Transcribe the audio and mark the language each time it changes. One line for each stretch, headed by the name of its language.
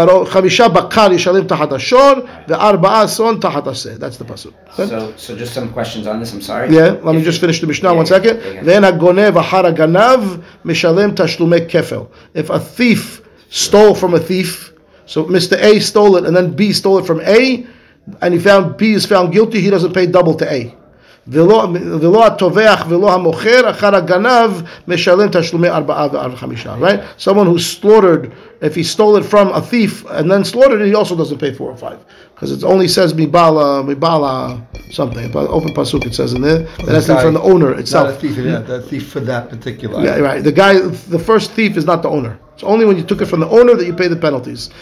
Hebrew: חמישה בקר ישלם תחת השור וארבעה אסון תחת השה.
English: That's the pasuk. So just some questions on this, I'm sorry. Yeah, let me just finish the Mishnah one second.
Hebrew: ואין הגונב אחר הגנב משלם תשלומי כפל.
English: If a thief stole from a thief, so Mr. A stole it and then B stole it from A, and he found B is found guilty, he doesn't pay double to A.
Hebrew: ולא התובח ולא המוכר אחר הגנב משלם תשלומי ארבעה וארבעה חמישה,
English: right? Someone who slaughtered, if he stole it from a thief and then slaughtered it, he also doesn't pay four or five. Because it only says mibala something. But open pasuk it says in there. That's from the owner itself. Not a thief, the thief for that particular. Yeah, right. The guy, the first thief is not the owner. It's only when you took it from the owner that you pay the penalties.